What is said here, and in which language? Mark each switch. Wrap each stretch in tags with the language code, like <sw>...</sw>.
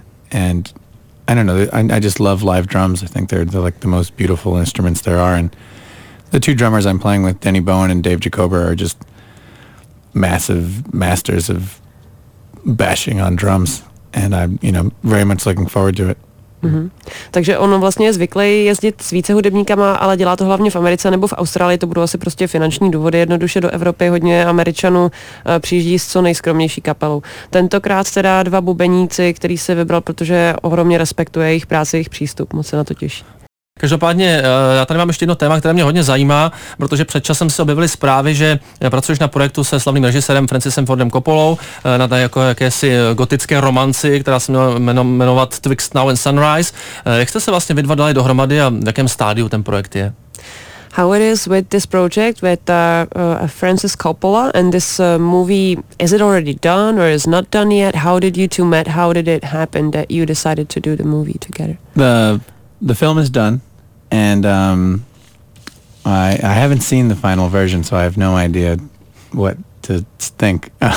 <en>And I don't know, I just love live drums. I think they're like the most beautiful instruments there are. And the two drummers I'm playing with, Denny Bowen and Dave Jacober, are just massive masters of bashing on drums, and I'm, you know, very much looking forward to it.</en> <cs>Takže on vlastně je zvyklý jezdit s více hudebníkama, ale dělá to hlavně v Americe nebo v Austrálii, to budou asi prostě finanční důvody. Jednoduše do Evropy hodně Američanů přijíždí s co nejskromnější kapelou. Tentokrát teda dva bubeníci, který se vybral, protože ohromně respektuje jejich práci, jejich přístup, moc se na to těší. Každopádně, já tady mám ještě jedno téma, které mě hodně zajímá, protože před časem se objevily zprávy, že pracuješ na projektu se slavným režisérem Francisem Fordem Coppolou, na tady jako jakési gotické romanci, která se měla jmenovat Twixt Now and Sunrise. Jak jste se vlastně vy dva dali dohromady a v jakém stádiu ten projekt je?</cs> <en>How it is with this project with Francis Coppola and this movie, is it already done or is not done yet? How did you two met? How did it happen that you decided to do the movie together? The film is done, and I haven't seen the final version, so I have no idea what to think.</en>